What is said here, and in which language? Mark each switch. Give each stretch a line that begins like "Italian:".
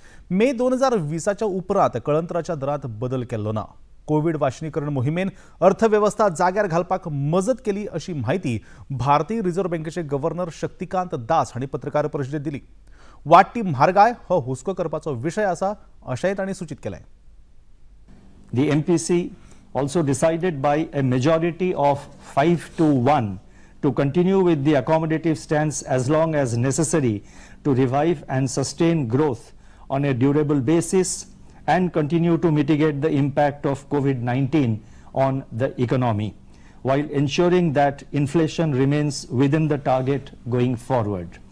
Konkani: मे 2020 उपरांत कळंतराच्या दरांत बदल केल्लो ना. कोविड वाशिनीकरण मोहिमेन अर्थवेवस्था जाग्यार घालपाक मजत केली अशी माहिती भारतीय रिझर्व्ह बँकेचे गव्हर्नर शक्तिकांत दास हांणी पत्रकार परिषदेत दिली. वाटी म्हारगाय हो हुस्को करपाचो विषय आसा अशेंय तांणी सूचित केलें.
English: Also decided by a majority of 5-1 to continue with the accommodative stance as long as necessary to revive and sustain growth on a durable basis and continue to mitigate the impact of COVID-19 on the economy while ensuring that inflation remains within the target going forward.